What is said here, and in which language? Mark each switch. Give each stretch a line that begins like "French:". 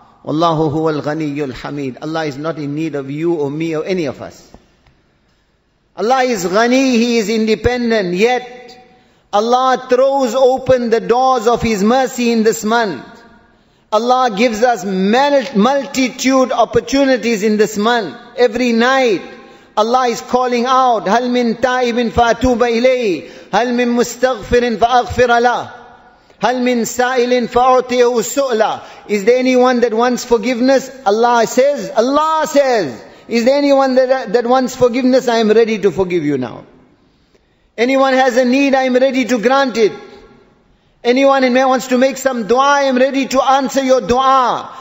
Arabic: Wallahu huwa al-ghaniyyu al-hamid.
English: Allah is not in need of you or me or any of us. Allah is ghani, He is independent, yet Allah throws open the doors of His mercy in this month. Allah gives us multitude opportunities in this month. Every night, Allah is calling out,
Arabic: هَلْ مِنْ تَائِبٍ فَأَتُوبَ إِلَيْهِ هَلْ مِنْ مُسْتَغْفِرٍ فَأَغْفِرَ لَهِ هَلْ مِنْ سَائِلٍ فَأُعْطِيهُ سُؤْلَ.
English: Is there anyone that wants forgiveness? Allah says, is there anyone that wants forgiveness? I am ready to forgive you now. Anyone has a need, I am ready to grant it. Anyone in me wants to make some dua, I am ready to answer your dua.